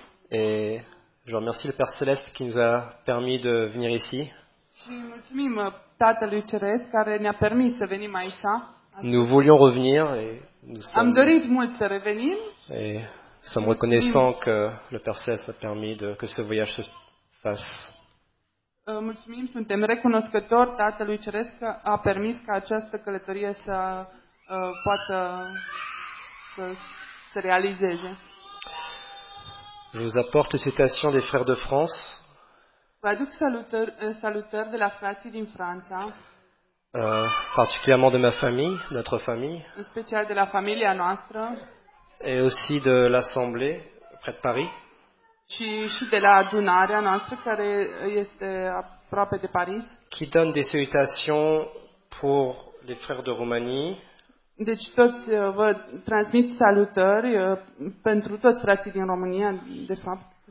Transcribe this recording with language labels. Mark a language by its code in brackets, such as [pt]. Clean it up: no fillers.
[fr] Et je remercie le Père Céleste qui nous a permis de venir ici. [ro] Și mulțumim Tatălui Ceresc care ne-a permis să venim aici. [fr] Nous voulions revenir et nous sommes. [ro] Am dorit mult să revenim. [fr] Et sommes reconnaissants que le Père Céleste a permis de que ce voyage se fasse. [ro] Mulțumim, suntem recunoscători Tatălui Ceresc că a permis ca această călătorie să poată să se realizeze. [fr] Je vous apporte les citations des frères de France. [ro] Vă aduc salutări de la frații din Franța. [fr] Particulièrement de ma famille, notre famille. [ro] În special de la familia noastră. [fr] Et aussi de l'assemblée près de Paris. [ro] Și de la adunarea noastră care este aproape de Paris. [fr] Qui donne des salutations pour les frères de Roumanie. [ro] Deci toți vă transmit salutări pentru toți frații din România, de fapt.